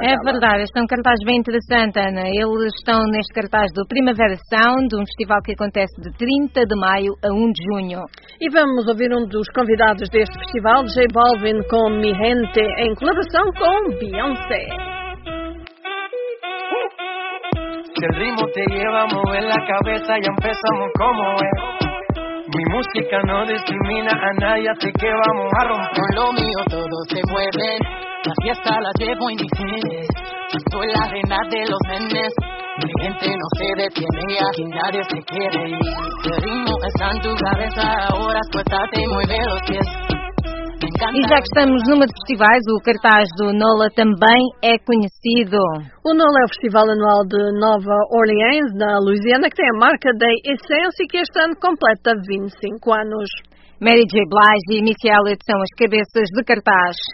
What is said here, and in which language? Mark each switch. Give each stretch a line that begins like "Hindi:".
Portuguese: dela. É verdade, este é um cartaz bem interessante, Ana. Eles estão neste cartaz do Primavera Sound, um festival que acontece de 30 de maio a 1 de junho. E vamos ouvir um dos convidados deste festival, J Balvin, com Mi Gente, em colaboração com Beyoncé.
Spanish: Si el ritmo te lleva a mover la cabeza, ya empezamos como es. Mi música no discrimina a nadie, así que vamos a romper. Con lo mío todo se mueve, la fiesta la llevo en mis genes. Yo soy la reina de los nenes, mi gente no se detiene y aquí nadie se quiere. Si el ritmo está en tu cabeza, ahora suéltate y mueve los pies.
Portuguese: E já que estamos numa de festivais, o cartaz do NOLA também é conhecido. O NOLA é o Festival Anual de Nova Orleans, na Louisiana, que tem a marca da Essence e que este ano completa 25 anos. Mary J. Blige e Missy Elliott são as cabeças de cartaz.